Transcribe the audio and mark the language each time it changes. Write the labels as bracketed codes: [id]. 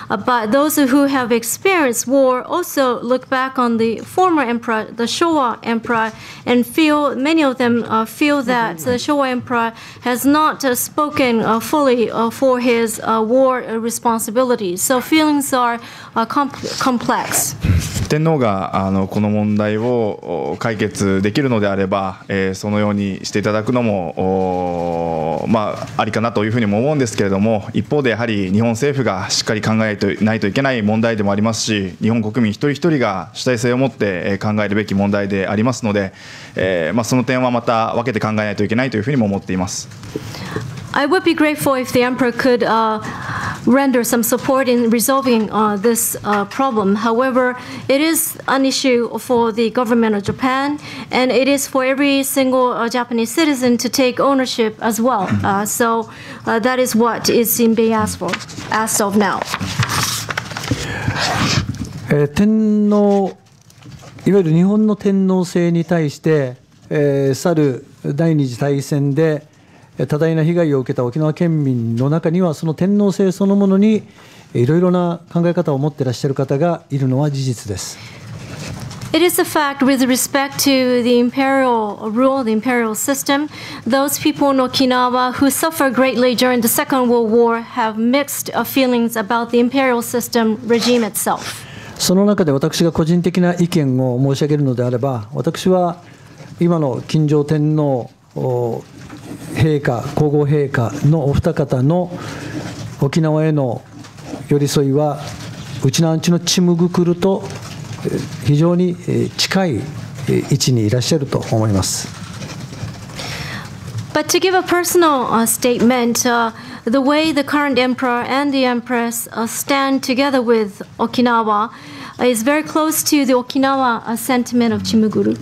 [en] But those who have experienced war also look back on the former emperor, the Showa emperor, and feel many of them feel that the Showa emperor has not spoken fully for his war responsibilities. So feelings are complex. [ja] 天皇がこの問題を解決できるのであれば、そのようにしていただくのもありかなというふうにも思うんですけれども、一方でやはり日本政府がしっかり考えないといけない問題でもありますし、日本国民一人一人が主体性を持って考えるべき問題でありますので、その点はまた分けて考えないといけないというふうにも思っています。 [en] I would be grateful if the emperor could render some support in resolving this problem. However, it is an issue for the government of Japan, and it is for every single Japanese citizen to take ownership as well. So that is what is being asked of now. [ja] 天皇、いわゆる日本の天皇制に対して、去る第二次大戦で多大な被害を受けた沖縄県民の中には、その天皇制そのものにいろいろな考え方を持っていらっしゃる方がいるのは事実です。 [en] It is a fact with respect to the imperial rule, the imperial system. Those people in Okinawa who suffered greatly during the Second World War have mixed feelings about the imperial system regime itself. [ja] その中で私が個人的な意見を申し上げるのであれば、私は今の金城天皇陛下、皇后陛下のお二方の沖縄への寄り添いは、うちのアンチのチムグクルと非常に近い位置にいらっしゃると思います。 [en] But to give a personal statement, the way the current emperor and the empress stand together with Okinawa is very close to the Okinawa sentiment of Chimuguru.